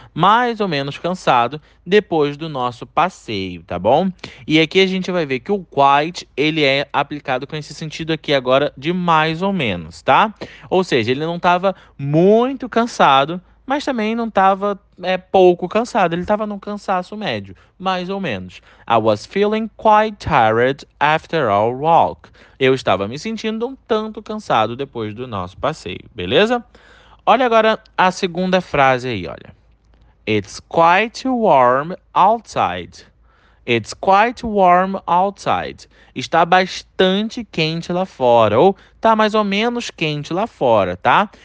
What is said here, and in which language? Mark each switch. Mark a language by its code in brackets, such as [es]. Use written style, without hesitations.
[pt] Mais ou menos cansado depois do nosso passeio, tá bom? E aqui a gente vai ver que o quite, ele é aplicado com esse sentido aqui agora de mais ou menos, tá? Ou seja, ele não estava muito cansado, mas também não estava pouco cansado. Ele estava num cansaço médio, mais ou menos. [en] I was feeling quite tired after our walk. [pt] Eu estava me sentindo um tanto cansado depois do nosso passeio, beleza? Olha agora a segunda frase aí, olha. [en] It's quite warm outside. It's quite warm outside. [pt] Está bastante quente lá fora, ou está mais ou menos quente lá fora, tá?